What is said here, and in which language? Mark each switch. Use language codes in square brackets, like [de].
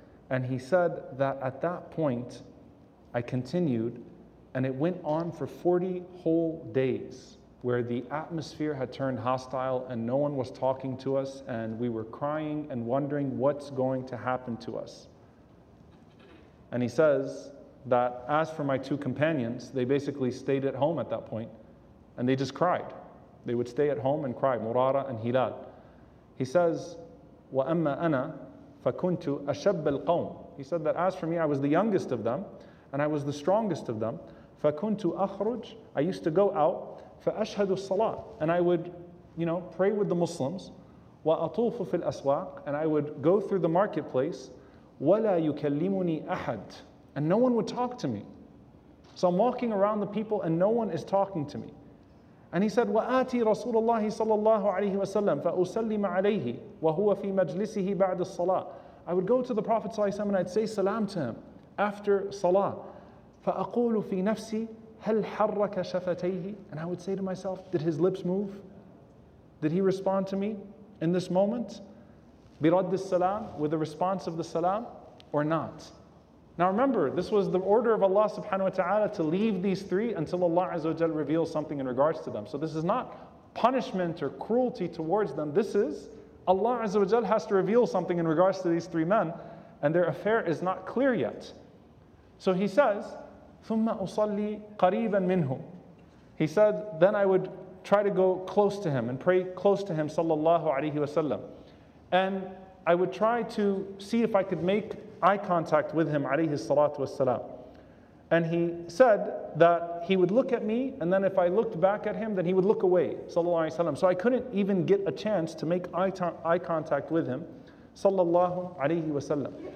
[en] And he said that at that point, I continued, and it went on for 40 whole days, where the atmosphere had turned hostile and no one was talking to us and we were crying and wondering what's going to happen to us. And he says that as for my two companions, they basically stayed at home at that point And they just cried. They would stay at home and cry, Murara and Hilal. He says, [ar] وَأَمَّا أَنَا فَكُنْتُ أَشَبَّ الْقَوْمِ. [en] He said that as for me, I was the youngest of them, and I was the strongest of them. [ar] فَكُنْتُ أَخْرُجْ. [en] I used to go out, [ar] فَأَشْهَدُ الصَّلَاةِ. [en] And I would, you know, pray with the Muslims. [ar] وَأَطُوفُ فِي الْأَسْوَاقِ. [en] And I would go through the marketplace. [ar] وَلَا يُكَلِّمُنِي أَحَدْ. [en] And no one would talk to me. So I'm walking around the people and no one is talking to me. And he said, [ar] وَآتِي رَسُولَ اللَّهِ صَلَّى اللَّهُ عَلَيْهِ وَسَلَّمْ فَأُسَلِّمَ عَلَيْهِ وَهُوَ فِي مَجْلِسِهِ بَعْدِ الصَّلَاةِ. [en] I would go to the Prophet ﷺ and I'd say salam to him after salah. [ar] فَأَقُولُ فِي نَفْسِي هَلْ حَرَّكَ شَفَتَيْهِ. [en] And I would say to myself, did his lips move? Did he respond to me in this moment? [ar] بِرَدِّ السَّلَامِ, [en] with the response of the salam, or not? Now remember, this was the order of Allah subhanahu wa ta'ala to leave these three until Allah azza wa jalla reveals something in regards to them. So this is not punishment or cruelty towards them. This is Allah azza wa jalla has to reveal something in regards to these three men, and their affair is not clear yet. So he says, [ar] ثُمَّ أُصَلِّي قَرِيبًا مِنْهُمْ. [en] He said, then I would try to go close to him and pray close to him, sallallahu alayhi wa sallam. And I would try to see if I could make eye contact with him, alayhi salatu wassalam. And he said that he would look at me, and then if I looked back at him, then he would look away, sallallahu alayhi wasallam. So I couldn't even get a chance to make eye contact with him, sallallahu alayhi wasallam.